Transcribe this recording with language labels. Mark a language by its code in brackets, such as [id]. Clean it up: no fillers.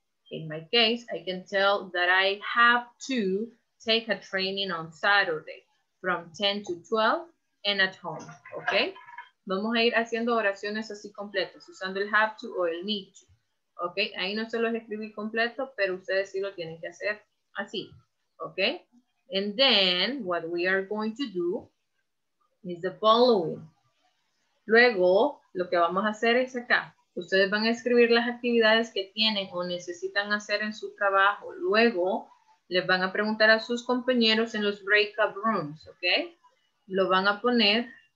[en] In my case, I can tell that I have to take a training on Saturday from 10 to 12 and at home, ¿ok? [es] Vamos a ir haciendo oraciones así completas, usando el have to o el need to, ¿ok? Ahí no se los escribí completo, pero ustedes sí lo tienen que hacer así, ¿ok? [en] And then, what we are going to do is the following. [es] Luego, lo que vamos a hacer es acá. Ustedes van a escribir las actividades que tienen o necesitan hacer en su trabajo. Luego, les van a preguntar a sus compañeros en los breakout rooms, ¿ok? Lo van a poner.